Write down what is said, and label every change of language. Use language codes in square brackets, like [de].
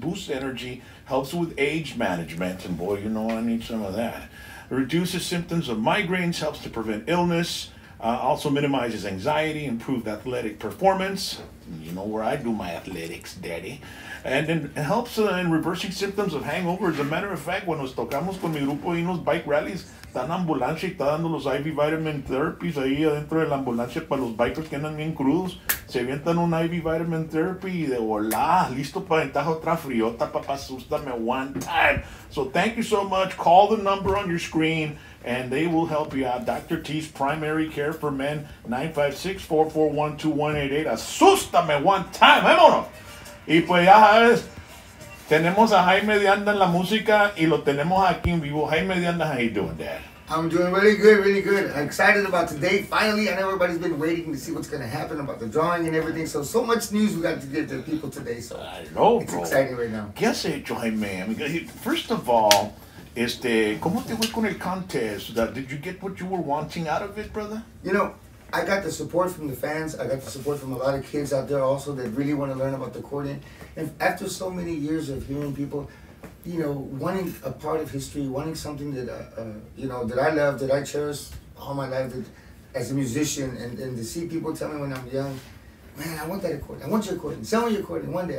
[en] Boosts energy, helps with age management, and boy, you know I need some of that. Reduces symptoms of migraines, helps to prevent illness, also minimizes anxiety, improves athletic performance. You know where I do my athletics, daddy. And then helps in reversing symptoms of hangover. As a matter of fact, when [es] nos tocamos con mi grupo y nos [en] bike rallies, [es] están ambulancia y está dando los IV vitamin therapies ahí adentro de la ambulancia para los bikers que andan bien crudos. Se avientan un IV vitamin therapy y de hola, listo para entrar otra friota, papá, asústame [en] one time. So thank you so much. Call the number on your screen and they will help you out. Dr. T's Primary Care for Men, 956-441-2188. [es] Asústame [en] one time. [es] Vámonos. Y pues ya sabes, tenemos a Jaime de Anda en la música y lo tenemos aquí en vivo. [en] Jaime de Anda, how you doing, Dad? I'm doing really good, really good. I'm excited about today. Finally, I know everybody's been waiting to see what's going to happen about the drawing and everything. So, so much news we got to give to the people today. So, I know, it's bro. It's exciting right now. [es] ¿Qué has hecho, Jaime? [en] I mean, first of all, [es] ¿cómo te fue con el [en] contest? Did you get what you were wanting out of it, brother? You know, I got the support from the fans. I got the support from a lot of kids out there also that really want to learn about the accordion. And after so many years of hearing people, you know, wanting a part of history, wanting something that, you know, that I love, that I cherish all my life, that, as a musician, and to see people tell me when I'm young, man, I want that accordion. I want your accordion. Sell me your accordion one day.